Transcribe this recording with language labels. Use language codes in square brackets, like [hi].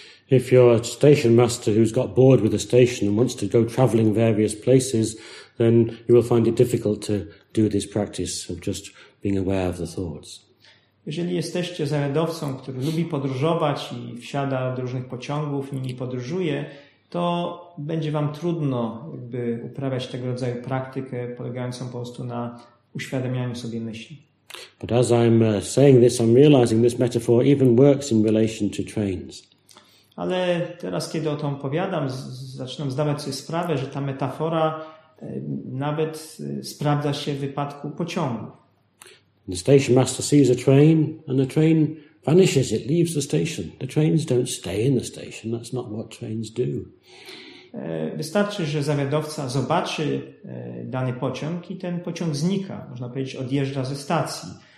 [en] If you're a station master who's got bored with a station and wants to go traveling various places, then you will find it difficult to do this practice of just being aware of the thoughts. [pl] Jeżeli jesteście zawiadowcą, który lubi podróżować i wsiada do różnych pociągów, nimi podróżuje, to będzie wam trudno jakby uprawiać tego rodzaju praktykę polegającą po prostu na uświadamianiu sobie myśli. [en] But as I'm saying this, I'm realizing this metaphor even works in relation to trains. [pl] Ale teraz, kiedy o tym opowiadam, zaczynam zdawać sobie sprawę, że ta metafora nawet sprawdza się w wypadku pociągu. [en] The station master sees a train and the train vanishes, it leaves the station. The trains don't stay in the station, that's not what trains do. [pl] Wystarczy, że zawiadowca zobaczy dany pociąg i ten pociąg znika, można powiedzieć, odjeżdża ze stacji.